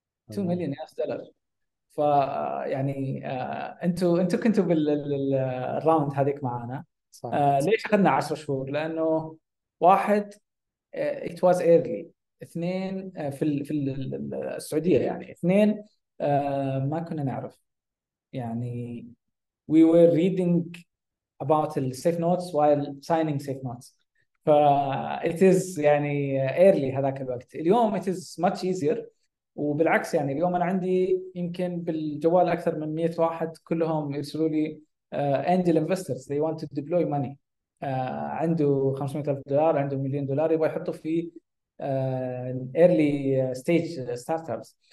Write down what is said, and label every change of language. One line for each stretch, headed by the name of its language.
Arabic: 2 مليون يا دولار. ف يعني انتوا كنتوا بالراوند هذيك معنا. ليش اخذنا 10 شهور؟ لانه واحد
English: it was early,
Arabic: اثنين في السعوديه يعني، اثنين ما كنا نعرف يعني.
English: We were reading about the safe notes while signing safe notes. It is
Arabic: يعني early هذاك الوقت. اليوم
English: it is much easier.
Arabic: وبالعكس يعني اليوم أنا عندي يمكن بالجوال أكثر من 100 واحد كلهم يرسلوا لي
English: angel investors. They want to deploy money.
Arabic: عنده 500,000 دولار، عنده 1,000,000 دولار يبغى يحطه في
English: early stage startups.